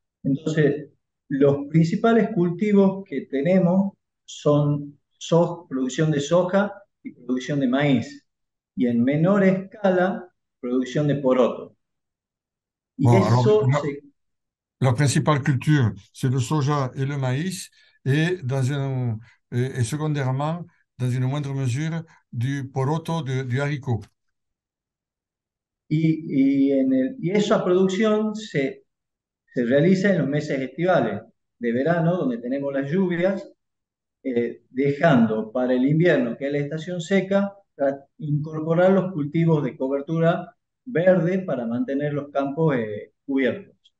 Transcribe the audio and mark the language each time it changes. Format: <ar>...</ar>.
<es>Entonces, los principales cultivos que tenemos son producción de soja y producción de maíz, y en menor escala, producción de poroto. Y</es> <fr>Bon, alors.</fr> <es>eso se...</es> <fr>La principale culture, c'est le soja et le maïs, et secondairement, dans une moindre mesure, du poroto, du haricot.</fr> <es>Y esa producción se realiza en los meses estivales de verano, donde tenemos las lluvias, dejando para el invierno, que es la estación seca, incorporar los cultivos de cobertura verde para mantener los campos cubiertos.</es>